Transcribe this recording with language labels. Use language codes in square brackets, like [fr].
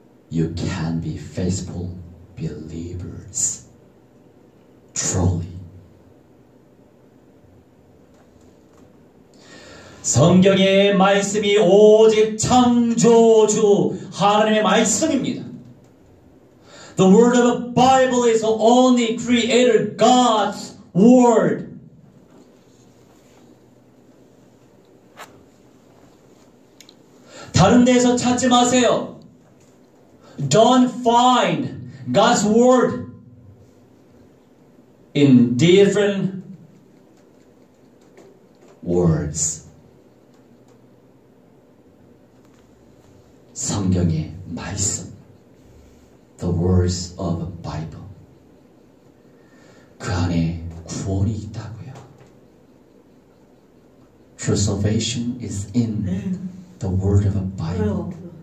[en] You can be faithful believers. Truly. [ko] 성경의 말씀이 오직 창조주 하나님의 말씀입니다. [en] The word of the Bible is only creator God's word. [ko] 다른 데서 찾지 마세요. [en] don't find God's word in different words. [ko] 성경의 말씀, [en] the words of the Bible. [ko] 그 안에 구원이 있다고요. [en] True salvation is in the word of the Bible.